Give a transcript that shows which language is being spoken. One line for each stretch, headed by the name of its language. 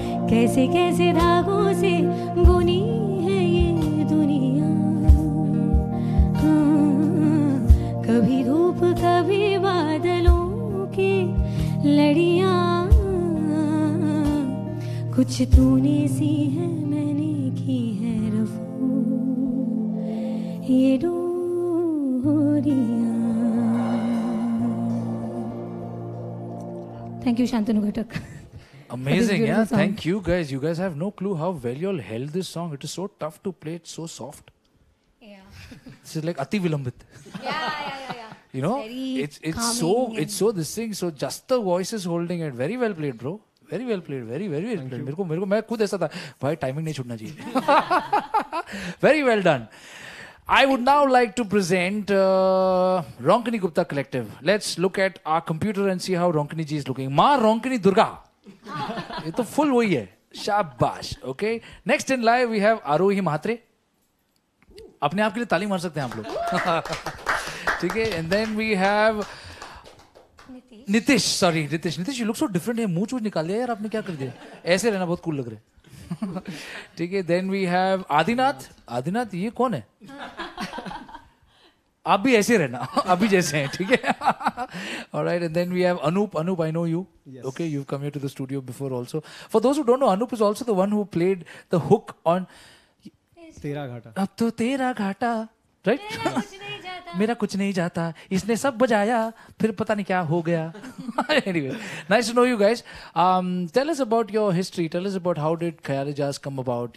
Hindi: कैसे कैसे धागों से बुनी है ये दुनिया कभी धूप कभी बादलों की लड़ियां कुछ तूने सी है मैंने की है रफू ये डोरियां
English: Thank you Shantanu Ghatak Amazing, yeah. Song. Thank you guys. You guys have no clue how well you all held this song. It is so tough to play. It's so soft. Yeah. This is like Ati Vilambit. Yeah. You know, it's so this thing. So just the voice is holding it. Very well played, bro. Very well played. Very, very well played. Thank you.
Hindi: मेरे को मैं खुद ऐसा था. भाई timing नहीं छोड़ना चाहिए.
English: Very well done. I would now like to present Ronkini Gupta Collective. Let's look at our computer and see how Ronkini ji is looking. Ma Ronkini Durga.
Hindi: ये तो फुल वही है शाबाश
English: okay next in live we have
Hindi: आरोही महात्रे अपने आप के लिए ताली मार सकते हैं आप लोग ठीक है
English: and then we have Nitish sorry Nitish you look so different
Hindi: है मुंह चूंच निकाल दिया यार आपने क्या कर दिया ऐसे रहना बहुत कूल लग रहे ठीक है देन वी हैव आदिनाथ ये कौन है आप भी ऐसे रहना अभी जैसे हैं ठीक है
English: alright and then we have Anoop I know you okay you have come here to the studio before also for those who don't know Anoop is also the one who played the hook on
Hindi: तेरा घाटा अब तो तेरा घाटा right कुछ नहीं जाता मेरा कुछ नहीं जाता, इसने सब बजाया, फिर पता नहीं क्या हो गया.
English: Anyway, nice to know you guys. Tell us about your history. Tell us about how did Khayal-E Jazz come about?